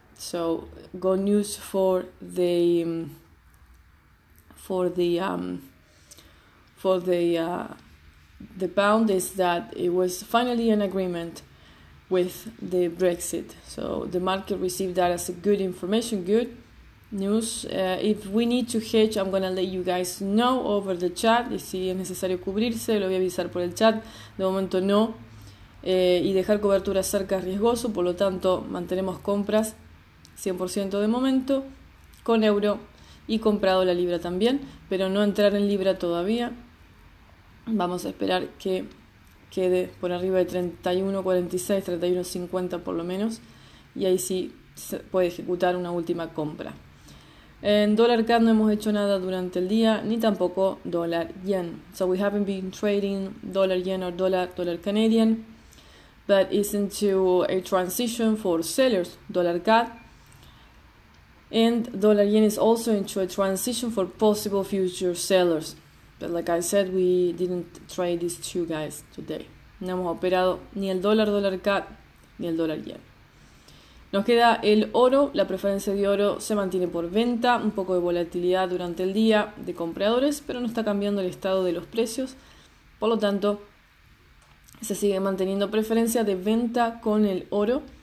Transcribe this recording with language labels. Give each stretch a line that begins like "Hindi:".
English: So, good news for the pound is that it was finally an agreement with the Brexit. So, the market received that as a good information, good news. If we need to hedge, I'm gonna let you guys know over the chat.
Spanish: Y si es necesario cubrirse, lo voy a avisar por el chat. De momento no. Y dejar cobertura cerca es riesgoso, por lo tanto, mantenemos compras 100% de momento con euro y comprado la libra también, pero no entrar en libra todavía. Vamos a esperar que quede por arriba de 31.46, 31.50 por lo menos, y ahí sí se puede ejecutar una última compra. En dólar CAD no hemos hecho nada durante el día, ni tampoco dólar yen.
English: So we haven't been trading dollar yen or dollar Canadian. But it's into a transition for sellers, dollar CAD. And dollar yen is also into a transition for possible future sellers. But like I said, we didn't trade these two guys today.
Spanish: No hemos operado ni el dólar CAD ni el dólar yen. Nos queda el oro. La preferencia de oro se mantiene por venta. Un poco de volatilidad durante el día de compradores, pero no está cambiando el estado de los precios. Por lo tanto, se sigue manteniendo preferencia de venta con el oro.